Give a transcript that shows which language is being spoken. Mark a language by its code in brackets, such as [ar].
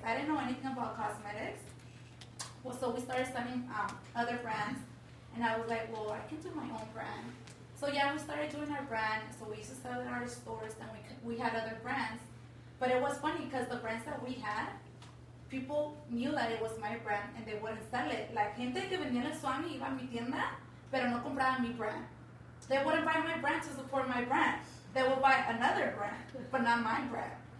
[en] I didn't know anything about cosmetics. Well, so we started studying other brands, and I was like, well, I can do my own brand. So yeah, we started doing our brand. So we used to sell it in our stores, and we had other brands. But it was funny because the brands that we had, people knew that it was my brand, and they wouldn't sell it. [es] Like, gente que venía a Swami iba a mi tienda, pero no compraba mi brand. [en] They wouldn't buy my brand to support my brand. They would buy another brand, but not my brand.